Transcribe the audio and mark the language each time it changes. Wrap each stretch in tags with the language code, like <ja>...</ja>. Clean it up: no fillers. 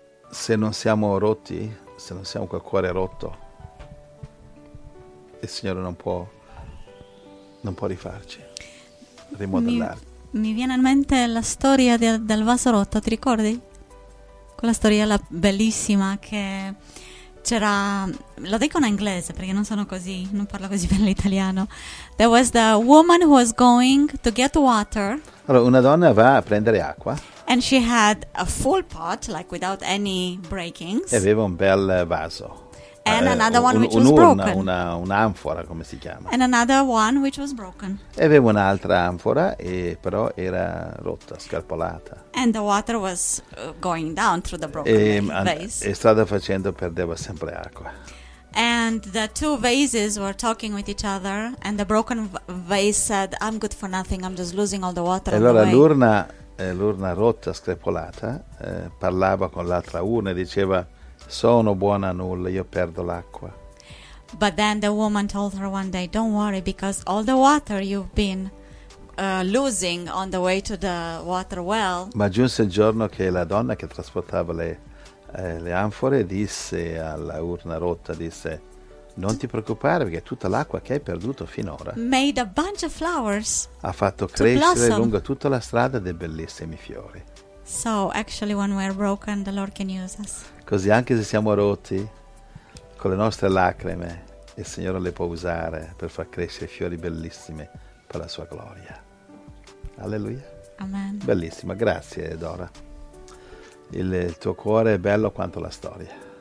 <it>Se non siamo rotti, se non siamo col cuore rotto, il Signore non può rifarci, rimodellarci. Mi viene in mente la storia del vaso rotto, ti ricordi? Quella storia bellissima che c'era, lo dico in inglese perché non sono così, non parlo così bene l'italiano.</it> <en>There was the woman who was going to get water</en> <it>Allora, una donna va a prendere acqua.</it> <en>and she had a full pot, like without any</en> <it>E</it> <en>breakings,</en> <it>aveva un bel vaso,</it> <en>and another one which was</en> <it>un'urna,</it> <en>broken,</en> <it>un'anfora, come si chiama.</it> <en>and another one which was broken.</en> <it>E aveva un'altra anfora, e però era rotta, scarpolata.</it> <en>And the water was going down through the</en> <it>E</it> <en>broken vase.</en> <it>strada facendo perdeva sempre acqua.</it> <en>And the two vases were talking with each other, and the broken vase said, "I'm good for nothing, I'm just losing all the water</en> <it>E</it> <en>on the</en> <it>allora</it> <en>way."</en> <it>l'urna rotta, screpolata, parlava con l'altra urna e diceva: sono buona a nulla, io perdo l'acqua.</it> <en>But then the woman told her one day, "Don't worry, because all the water you've been losing on the way to the water well."</en> <it>Ma giunse il giorno che la donna che trasportava le anfore disse alla urna rotta, disse: non ti preoccupare, perché tutta l'acqua che hai perduto finora ha fatto</it> <en>Made a bunch of flowers to</en> <it>crescere</it> <en>blossom.</en> <it>lungo tutta la strada dei bellissimi fiori.</it> <en>So actually, when we're broken, the Lord can use us.</en> <it>Così anche se siamo rotti, con le nostre lacrime il Signore le può usare per far crescere fiori bellissimi per la sua gloria. Alleluia. Bellissima, Amen. grazie Dora. Il tuo cuore è bello quanto la storia.</it>